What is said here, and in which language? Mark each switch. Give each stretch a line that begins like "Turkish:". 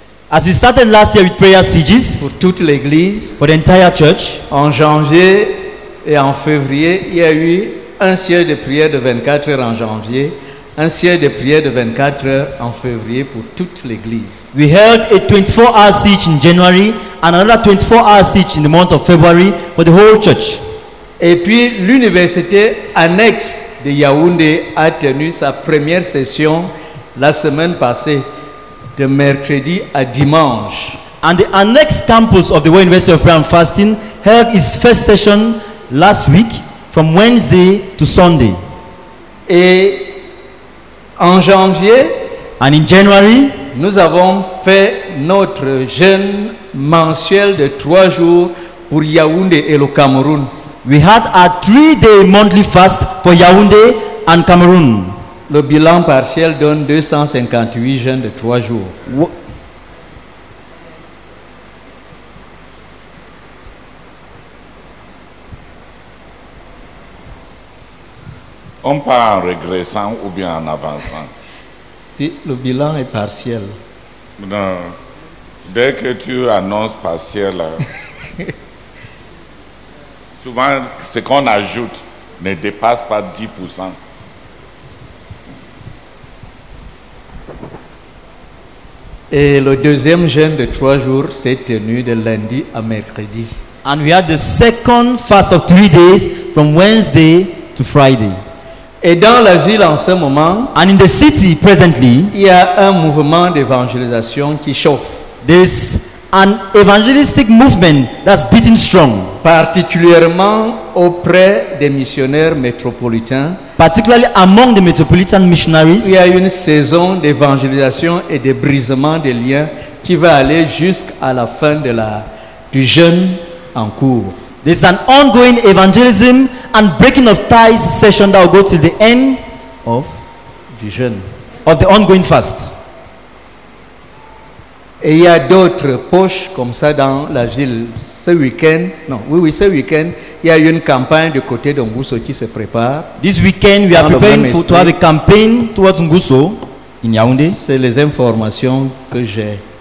English: as we started last year with prayer sieges
French: pour toute l'église,
English: for the entire church,
French: en janvier et en février, il y a eu un siège de prière de 24 heures en janvier. Un siège de prière de 24 heures en février pour toute l'église.
English: We held a 24-hour siege in January and another 24-hour siege in the month of February for the whole church.
French: Et puis l'université annexe de Yaoundé a tenu sa première session la semaine passée, de mercredi à dimanche.
English: And the annex campus of the World University of Prayer and Fasting held its first session last week from Wednesday to Sunday.
French: Et en janvier,
English: and in January,
French: nous avons fait notre jeûne mensuel de 3 jours pour Yaoundé et le Cameroun.
English: We had a 3-day monthly fast for Yaoundé and Cameroon.
French: Le bilan partiel donne 258 jeûnes de 3 jours. On part en régressant ou bien en avançant? Le bilan est partiel. Non. Dès que tu annonces partiel, souvent ce qu'on ajoute ne dépasse pas 10%. Et le deuxième jeûne de 3 jours s'est tenu de lundi à mercredi.
English: And we had the second fast of 3 days from Wednesday to Friday.
French: Et dans la ville en ce moment,
English: and in the city presently,
French: il y a un mouvement d'évangélisation qui chauffe.
English: There's an evangelistic movement that's beating strong,
French: particulièrement auprès des missionnaires métropolitains.
English: Particularly among the metropolitan missionaries,
French: il y a une saison d'évangélisation et de brisement des liens qui va aller jusqu'à la fin de du jeûne en cours.
English: There's an ongoing evangelism and breaking of ties session that will go till the end of the jeûne, of the ongoing fast.
French: Et il y a d'autres poches comme ça dans la ville. ce week-end, non, oui, oui, ce week-end, il y a eu une campagne du côté de Ngousso qui se prépare.
English: This weekend, we are preparing for to have a campaign towards Ngousso in Yaoundé.
French: C'est les informations que j'ai.